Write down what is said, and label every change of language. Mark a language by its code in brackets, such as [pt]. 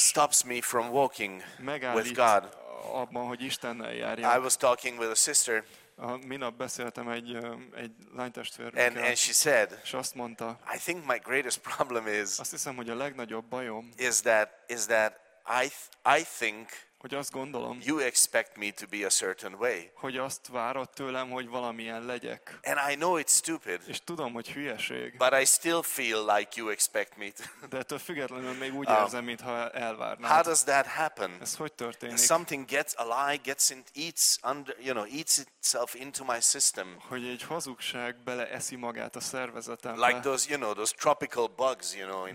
[en] Stops me from walking [hu] megállít [en] with God. [hu] Abban, hogy Istennel járjak. [en] I was talking with a sister. [hu] Minap beszéltem egy lánytestvérrel. [en] And she said, [hu] és azt mondta, [en] I think my greatest problem is. [hu] Azt hiszem, hogy a legnagyobb bajom. [en] Is that I think. [hu] Hogy azt gondolom. [en] You expect me to be a certain way. [hu] Hogy azt várod tőlem, hogy valamilyen legyek. [en] And I know it's stupid. [hu] És tudom, hogy hülyeség. [en] But I still feel like you expect me to. [hu] De ettől függetlenül még úgy érzem, mintha elvárnád. [en] How does that happen? [hu] Ez hogy történik? [en] Something gets a lie gets in, eats under, you know, eats it. Self into my system. [hu] Hogy egy hazugság bele eszi magát a szervezetembe. [en] Like those, you know, those tropical bugs, you know, in